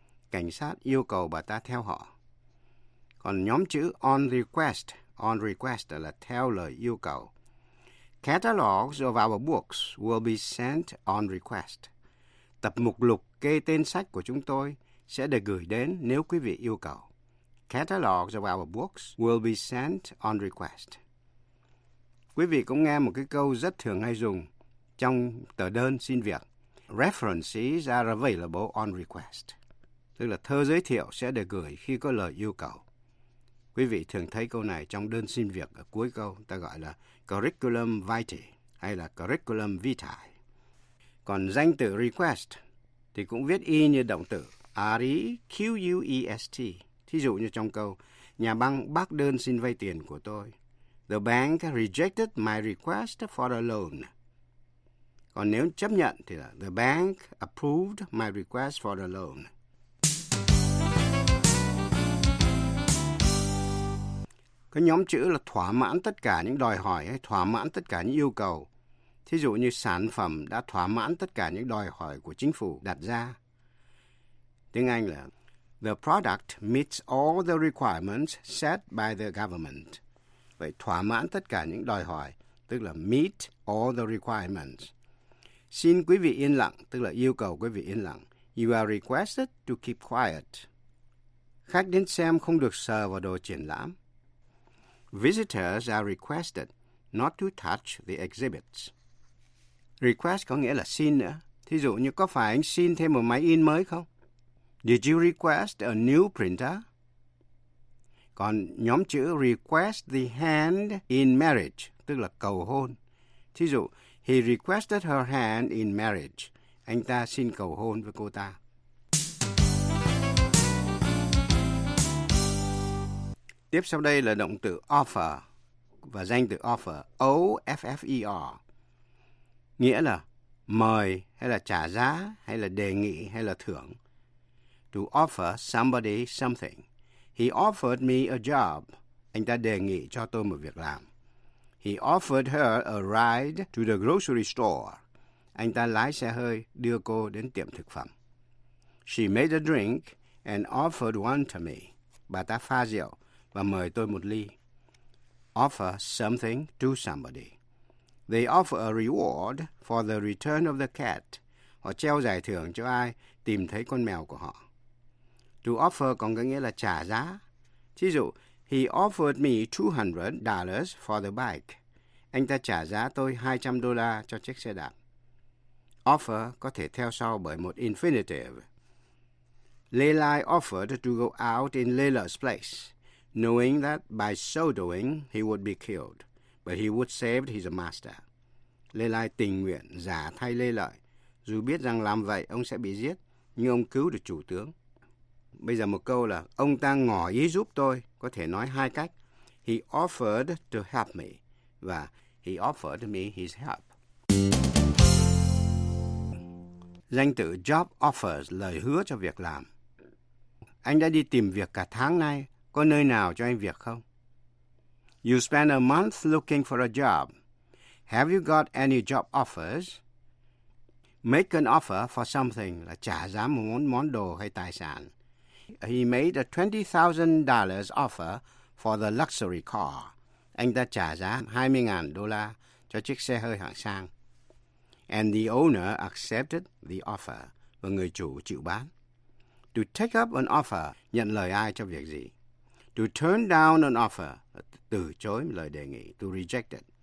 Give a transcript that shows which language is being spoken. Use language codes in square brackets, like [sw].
[vi] Cảnh sát yêu cầu bà ta theo họ. Còn nhóm chữ on request là theo lời yêu cầu. [en] Catalogs of our books will be sent on request. [vi] Tập mục lục kê tên sách của chúng tôi sẽ được gửi đến nếu quý vị yêu cầu. [en] Catalogs of our books will be sent on request. [vi] Quý vị cũng nghe một cái câu rất thường hay dùng trong tờ đơn xin việc. [en] References are available on request. [vi] Tức là thơ giới thiệu sẽ được gửi khi có lời yêu cầu. Quý vị thường thấy câu này trong đơn xin việc ở cuối câu, ta gọi là curriculum vitae hay là curriculum vitae. Còn danh từ request thì cũng viết y như động từ, request. Thí dụ như trong câu, nhà băng bác đơn xin vay tiền của tôi. [en] The bank rejected my request for a loan. [vi] Còn nếu chấp nhận thì là [en] the bank approved my request for a loan. [vi] Cái nhóm chữ là thỏa mãn tất cả những đòi hỏi hay thỏa mãn tất cả những yêu cầu. Thí dụ như sản phẩm đã thỏa mãn tất cả những đòi hỏi của chính phủ đặt ra. Tiếng Anh là [en] the product meets all the requirements set by the government. [vi] Vậy thỏa mãn tất cả những đòi hỏi, tức là meet all the requirements. Xin quý vị yên lặng, tức là yêu cầu quý vị yên lặng. [en] You are requested to keep quiet. [vi] Khách đến xem không được sờ vào đồ triển lãm. [en] Visitors are requested not to touch the exhibits. [vi] Request có nghĩa là xin nữa. Thí dụ như có phải anh xin thêm một máy in mới không? [en] Did you request a new printer? [vi] Còn nhóm chữ [en] request the hand in marriage, [vi] tức là cầu hôn. Thí dụ, [en] he requested her hand in marriage. [vi] Anh ta xin cầu hôn với cô ta. Tiếp sau đây là động từ offer và danh từ offer, O-F-F-E-R. Nghĩa là mời hay là trả giá hay là đề nghị hay là thưởng. [en] To offer somebody something. He offered me a job. [vi] Anh ta đề nghị cho tôi một việc làm. [en] He offered her a ride to the grocery store. [vi] Anh ta lái xe hơi đưa cô đến tiệm thực phẩm. [en] She made a drink and offered one to me. [vi] Bà ta pha rượu và mời tôi một ly. [en] Offer something to somebody. They offer a reward for the return of the cat. [vi] Họ treo giải thưởng cho ai tìm thấy con mèo của họ. To offer còn có nghĩa là trả giá. Thí dụ, [en] he offered me $200 for the bike. [vi] Anh ta trả giá tôi $200 cho chiếc xe đạp. Offer có thể theo sau bởi một infinitive. [en] Lelai offered to go out in Lela's place, knowing that by so doing he would be killed. But he would save his master. [vi] Lê Lai tình nguyện giả thay Lê Lợi. Dù biết rằng làm vậy ông sẽ bị giết, nhưng ông cứu được chủ tướng. Bây giờ một câu là, ông ta ngỏ ý giúp tôi, có thể nói hai cách. [en] He offered to help me. Và he offered me his help. [vi] Danh từ job offers, lời hứa cho việc làm. Anh đã đi tìm việc cả tháng nay, có nơi nào cho anh việc không? [en] You spent a month looking for a job. Have you got any job offers? Make an offer for something [vi] là trả giá một món đồ hay tài sản. [en] He made a $20,000 offer for the luxury car. [vi] Anh ta trả giá $20,000 cho chiếc xe hơi hạng sang. [en] And the owner accepted the offer. [vi] Và người chủ chịu bán. [en] To take up an offer, [vi] nhận lời ai cho việc gì? [en] To turn down an offer, [vi] từ chối lời đề nghị, [en] to reject it.